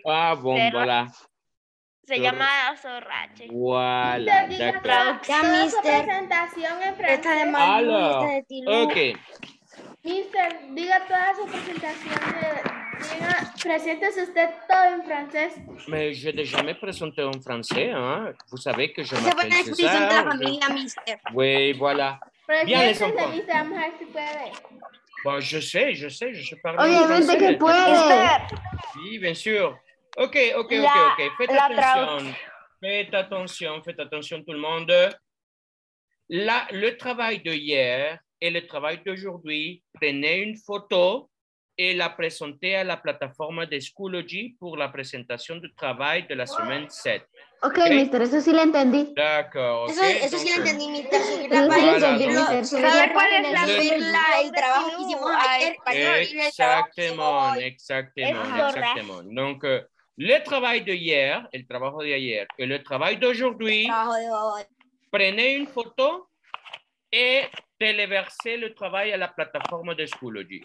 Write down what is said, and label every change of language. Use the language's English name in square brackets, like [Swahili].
[French] Ah, bon, pero... voilà. [Spanish] Se llama [French] Sorrache. Voilà, d'accord. [Spanish] Traducción, su mister, presentación en francés. Esta de Malou, esta de Tilou. Ok. Mister, diga toda su presentación. Preséntese usted todo en francés. [French] Mais je n'ai jamais présenté en francés. Hein? Vous savez que je m'appelle César. [Spanish] Se puede expresar de la familia, mister. [French] Oui, voilà. [Spanish] Preséntese, mister, vamos a ver si puede. [French] Bon, je sais, je sais, je sais parler. [Spanish] Obviamente que puede. Sí, [French] bien sûr. Ok, ok, ok, ok. Faites attention. Faites attention, faites attention tout le monde. Là, le travail de hier et le travail d'aujourd'hui, prenez une photo et la présentez à la plateforme de Schoology pour la présentation du travail de la semaine 7. Ok, okay. [Spanish] Mister, eso sí lo entendí. [French] D'accord. Okay. [Spanish] Eso sí lo entendí, mister. Sí, eso sí lo entendí, mister. ¿Sabes cuál es la regla? El trabajo que hicimos ayer. [French] Exactement, exactement, exactement. Donc, le travail de hier, [Spanish] el trabajo de ayer, y el trabajo de [French] aujourd'hui, prenez une photo y téléversez le travail a la plateforme de Schoology.